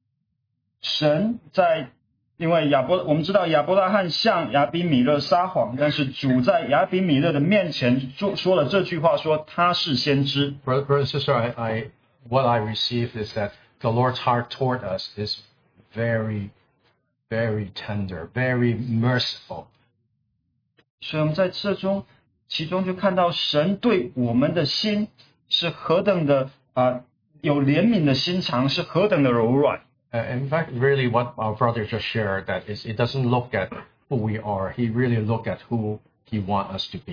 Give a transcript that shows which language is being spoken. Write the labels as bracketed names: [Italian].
[Chinese] 就是神在 因为亚伯拉罕向亚比米勒撒谎，但是主在亚比米勒的面前说了这句话，说他是先知。 [English] Brother and sister, what I received is that the Lord's heart toward us is very, very tender, very merciful. [Chinese] 所以我们在这中，其中就看到神对我们的心是何等的有怜悯的心肠，是何等的柔软。 [English] In fact, really what our brother just shared, that is, it doesn't look at who we are. He really look at who he want us to be.